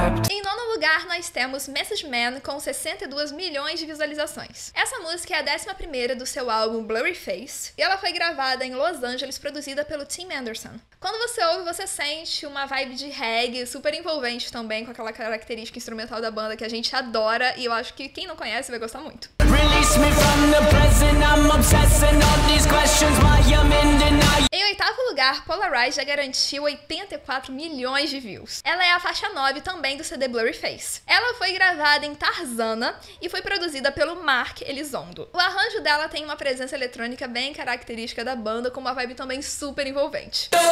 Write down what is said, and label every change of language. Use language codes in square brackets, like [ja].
[pt] Em nono lugar, nós temos Message Man, com 62 milhões de visualizações. Essa música é a 11ª do seu álbum Blurry Face, e ela foi gravada em Los Angeles, produzida pelo Tim Anderson. Quando você ouve, você sente uma vibe de reggae super envolvente também, com aquela característica instrumental da banda que a gente adora, e eu acho que quem não conhece vai gostar muito. [en] Release me from the present, I'm obsessing all these questions why I'm in denial. [pt] Em oitavo lugar, Polarize já garantiu 84 milhões de views. Ela é a faixa 9 também do CD Blurry Face. Ela foi gravada em Tarzana e foi produzida pelo Mark Elizondo. O arranjo dela tem uma presença eletrônica bem característica da banda, com uma vibe também super envolvente.